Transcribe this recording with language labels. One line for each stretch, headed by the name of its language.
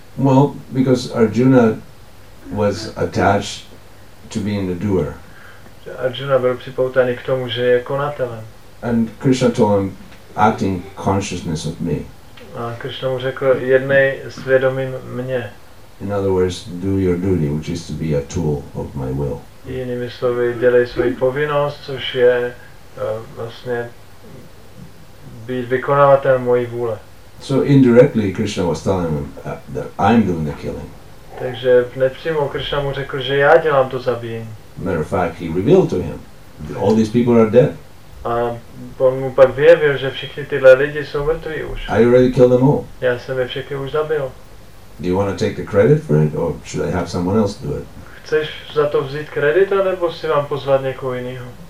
English: Well, because Arjuna was attached to being a doer.
Czech: Arjuna byl připoutaný k tomu, že je konatelem.
English: And Krishna told him, acting consciousness of me.
Czech: A Krishna mu řekl, jednej svědomím mě.
English: In other words, do your duty, which is to be a tool of my will.
Czech: Jinými slovy, dělej svoji povinnost, což je vlastně být vykonavatelem mojí vůle.
English: So indirectly, Krishna was telling him that I'm doing the killing.
Czech: Takže nepřímo Krishna mu řekl, že já dělám to zabíjení.
English: Matter of fact, he revealed to him that all these people are dead.
Czech: A on mu pak vyjevil, že všichni tyhle lidi jsou mrtví už.
English: I already killed them all.
Czech: Já jsem je všechny už zabil.
English: Do you want to take the credit for it, or should I have someone else do it?
Czech: Chceš za to vzít kredit, anebo si mám pozvat někoho jiného?